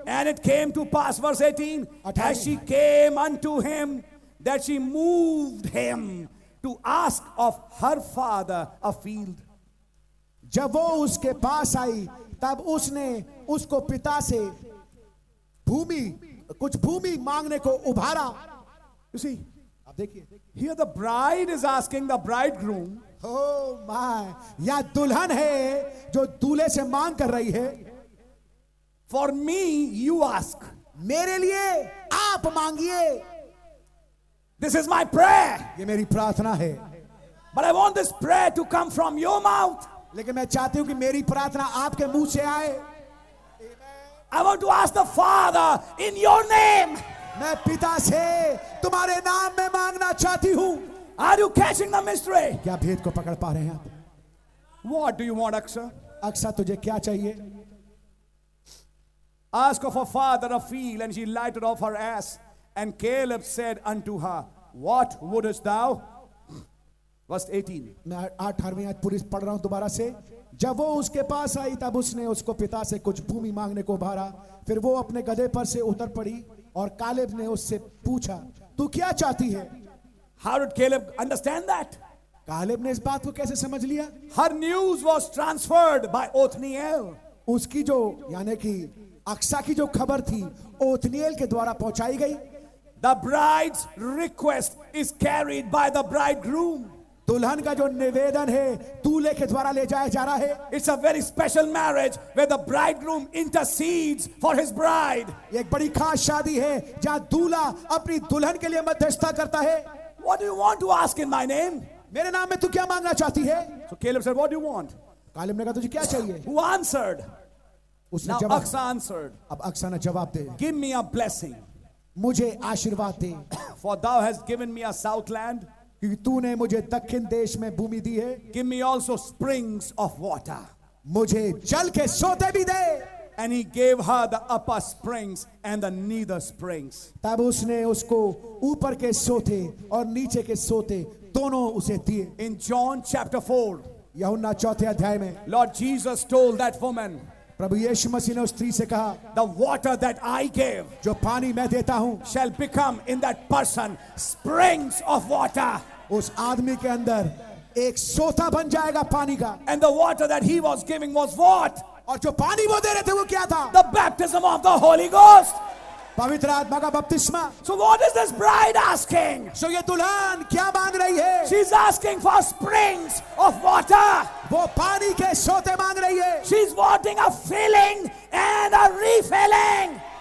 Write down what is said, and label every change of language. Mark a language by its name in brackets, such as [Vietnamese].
[English] And it came to pass verse 18. As she came unto him, that she moved him to ask of her father a field. [Hindi] जब वो उसके पास आई, तब उसने उसको पिता से भूमि कुछ भूमि मांगने को उभारा. [English] You see, [Hindi] आप देखिए. [English] Here the bride is asking the bridegroom. Oh my, [Hindi] यह दुल्हन है जो दूल्हे से मांग कर रही है. [English] For me, you ask. [Hindi] मेरे लिए आप मांगिए. [English] This is my prayer. [Hindi] ये मेरी प्रार्थना है. [English] But I want this prayer to come from your mouth. [Hindi] लेकिन मैं चाहती हूँ कि मेरी प्रार्थना आपके मुंह से आए. [English] I want to ask the Father in your name. [Hindi] मैं पिता से तुम्हारे नाम में मांगना चाहती हूँ. [English] Are you catching the mystery? [Hindi] क्या भेद को पकड़ पा रहे हैं आप? [English] What do you want, Aksa? [Hindi] Aksa, तुझे क्या चाहिए? [English] Ask of her father a field, and she lighted off her ass. And Caleb said unto her, What wouldest thou? Verse 18. [Hindi] मैं आठवीं आयत पूरी पढ़ रहा हूँ दोबारा से. जब वो उसके पास आई, तब उसने उसको पिता से कुछ भूमि मांगने को भारा. फिर वो अपने गधे पर से उतर पड़ी और कालेब ने उससे पूछा, तू क्या चाहती है? [English] How did Caleb understand that? [Hindi] Caleb ने इस बात को कैसे समझ लिया? [English] Her news was transferred by Othniel. [Hindi] उसकी जो यानी कि अक्सा की जो खबर थी Othniel के द्वारा पहुंचाई गई. [English] The bride's request is carried by the bridegroom. [Hindi] दुल्हन का जो निवेदन है दूल्हे के द्वारा ले जाया जा रहा है. [English] It's a very special marriage where the bridegroom intercedes for his bride. [Hindi] एक बड़ी खास शादी है जहां दूल्हा अपनी दुल्हन के लिए मध्यस्थता करता है. [English] What do you want to ask in my name? [Hindi] मेरे नाम में तू क्या मांगना चाहती है? [English] So Caleb said, What do you want? [Hindi] Caleb ने कहा तुझे क्या चाहिए? [English] Who answered? [Hindi] उसने जवाब. Aksa answered. अब अक्सा ने जवाब दे. [English] Give me a blessing. [Hindi] मुझे आशीर्वाद दे. [English] For thou hast given me a south land. [Hindi] क्योंकि तूने मुझे दक्षिण देश में भूमि दी है. [English] Give me also springs of water. [Hindi] मुझे जल के सोते भी दे. [English] And he gave her the upper springs and the nether springs. [Hindi] तब उसने उसको ऊपर के सोते और नीचे के सोते दोनों उसे दिए. [English] In John chapter 4, [Hindi] यूहन्ना चौथे अध्याय में, [English] Lord Jesus told that woman. [Hindi] प्रभु यीशु मसीह ने उस स्त्री से कहा, [English] The water that I give, [Hindi] जो पानी मैं देता हूँ, [English] shall become in that person springs of water. [Hindi] उस आदमी के अंदर एक सोता बन जाएगा पानी का. [English] And the water that he was giving was what? [Hindi] और जो पानी वो दे रहे थे वो क्या था? [English] The baptism of the Holy Ghost. [Hindi] पवित्र आत्मा का बपतिस्मा. [English] So what is this bride asking? [Hindi] So ये दुल्हन क्या मांग रही है? [English] She's asking for springs of water. [Hindi] वो पानी के सोते मांग रही है. [English] She's wanting a filling and a refilling.